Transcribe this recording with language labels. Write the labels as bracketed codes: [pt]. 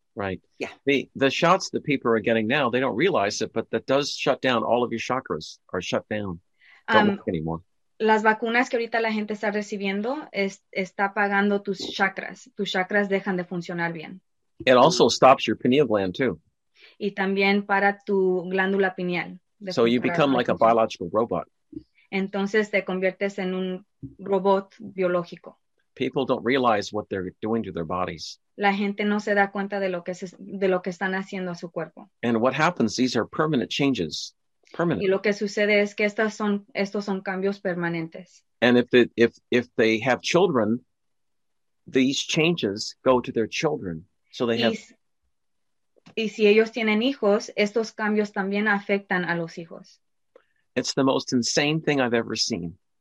[en] Right. Yeah. The shots that people are getting now, they don't realize it, but that does shut down all of your chakras are shut down. Don't work anymore. [es] Las vacunas que ahorita la gente está recibiendo está apagando tus chakras. Tus chakras dejan de funcionar bien. [en] It also stops your pineal gland too. [es] Y también para tu glándula pineal. [en] So you become like a biological robot. [es] Entonces te conviertes en un robot biológico. [en] People don't realize what they're doing to their bodies. [es] La gente no se da cuenta de lo que están haciendo a su cuerpo. [en] And what happens, these are permanent changes. Permanent. [es] Y lo que sucede es que estos son cambios permanentes. [en] And if they have children, these changes go to their children. So they have. [es] Y si ellos tienen hijos, estos cambios también afectan a los hijos. [en] It's the most insane thing I've ever seen.